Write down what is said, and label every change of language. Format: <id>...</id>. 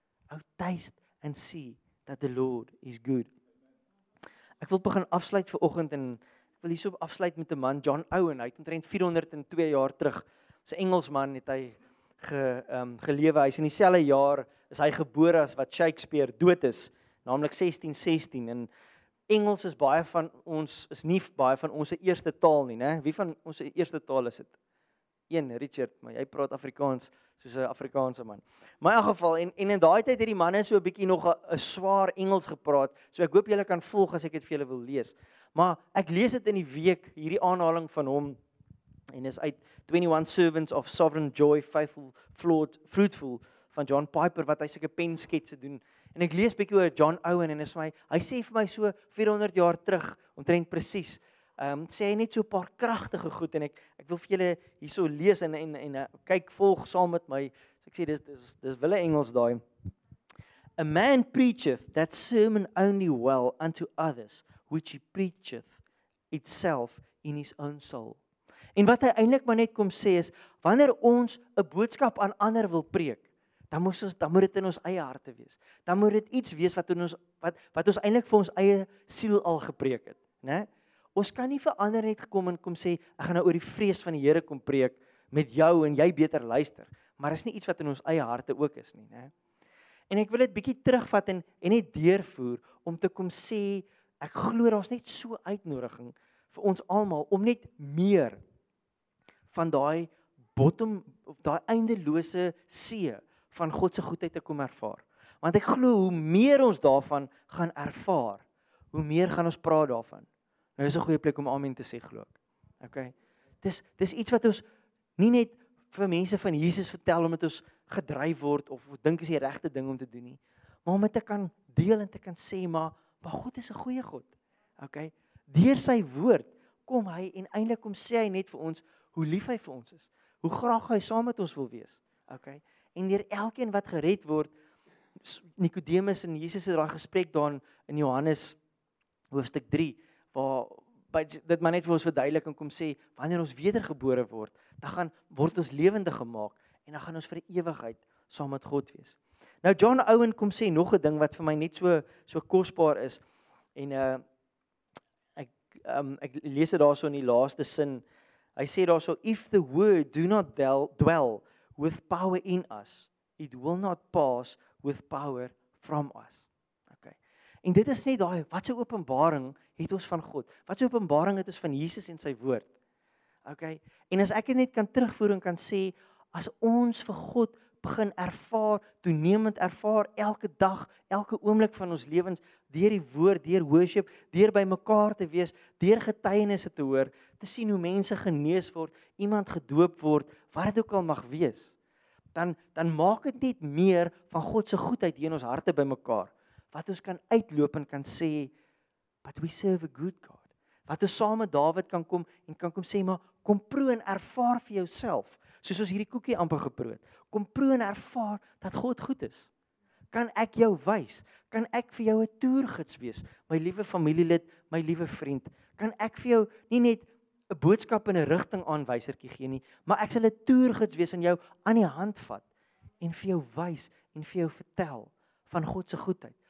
<en>Oh, taste and see that the Lord is good.</en> <af>Ek wil begin afsluit vir oggend en ek wil hierso afsluit met 'n man, John Owen. Hy het omtrent 402 jaar terug, 'n Engelsman het hy gelewe. Hy's in dieselfde jaar is hy gebore as wat Shakespeare dood is, naamlik 1616 en Engels is baie van ons, is nie baie van ons eerste taal nie, né? Wie van ons eerste taal is dit? Een, Richard, maar jy praat Afrikaans soos 'n Afrikaanse man. Maar in elk geval, en in daai tyd het die manne so 'n bietjie nog 'n swaar Engels gepraat, so ek hoop julle kan volg as ek dit vir julle wil lees. Maar ek lees dit in die week, hierdie aanhaling van hom, en is uit 21 Servants of Sovereign Joy, Faithful, Flawed, Fruitful, van John Piper, wat hy sulke penskets doen. En ek lees bietjie oor John Owen en is my, hy sê vir my so 400 jaar terug, omtrent presies, sê hy net so 'n paar kragtige goed en ek wil vir julle hierso lees en kyk volg saam met my. So ek sê dis wille Engels daai.</af> <en>A man preacheth that sermon only well unto others which he preacheth itself in his own soul.</en> <af>En wat hy eintlik maar net kom sê is wanneer ons 'n boodskap aan ander wil preek, dan moet dit in ons eie harte wees. Dan moet dit iets wees wat in ons wat ons eintlik vir ons eie siel al gepreek het, né? Ons kan nie vir ander net gekom en kom sê ek gaan nou oor die vrees van die Here kom preek met jou en jy beter luister, maar is nie iets wat in ons eie harte ook is nie, né? En ek wil dit bietjie terugvat en net deurvoer om te kom sê ek glo daar's net so uitnodiging vir ons almal om net meer van daai bottom of daai eindelose see van God se goedheid te kom ervaar. Want ek glo hoe meer ons daarvan gaan ervaar, hoe meer gaan ons praat daarvan. Nou is 'n goeie plek om amen te sê, glo ek. Okay. Dis iets wat ons nie net vir mense van Jesus vertel omdat ons gedryf word of dink is die regte ding om te doen nie. Maar om dit te kan deel en te kan sê, maar God is 'n goeie God. Okay? Deur sy woord kom hy en eintlik kom sê hy net vir ons hoe lief hy vir ons is. Hoe graag hy saam met ons wil wees. Okay? En deur elkeen wat gered word, Nikodemus en Jesus het daai gesprek daar in Johannes hoofstuk 3 waar dit maar net vir ons verduidelik en kom sê wanneer ons wedergebore word, dan gaan word ons lewendig gemaak en dan gaan ons vir ewigheid saam met God wees. Nou John Owen kom sê nog 'n ding wat vir my net so kosbaar is en ek lees dit daarso in die laaste sin. Hy sê daarso</af> <en>if the word do not dwell with power in us, it will not pass with power from us.</en> <af>Okay. En dit is net daai watse openbaring het ons van God. Watse openbaring het ons van Jesus en sy woord. Okay. En as ek dit net kan terugvoer en kan sê as ons vir God begin ervaar, toenemend ervaar elke dag, elke oomblik van ons lewens deur die woord, deur worship, deur by mekaar te wees, deur getuienisse te hoor, te sien hoe mense genees word, iemand gedoop word, wat dit ook al mag wees. Dan maak dit net meer van God se goedheid hier in ons harte bymekaar. Wat ons kan uitloop en kan sê,</af> <en>but we serve a good God.</en> <af>Wat ons saam met Dawid kan kom en kan kom sê, maar kom proe en ervaar vir jouself, soos ons hierdie koekie amper geproe het. Kom proe en ervaar dat God goed is. Kan ek jou wys? Kan ek vir jou 'n toergids wees? My liewe familielid, my liewe vriend, kan ek vir jou nie net 'n boodskap in 'n rigting aanwysertjie gee nie, maar ek sal 'n toergids wees en jou aan die hand vat en vir jou wys en vir jou vertel van God se goedheid.</af>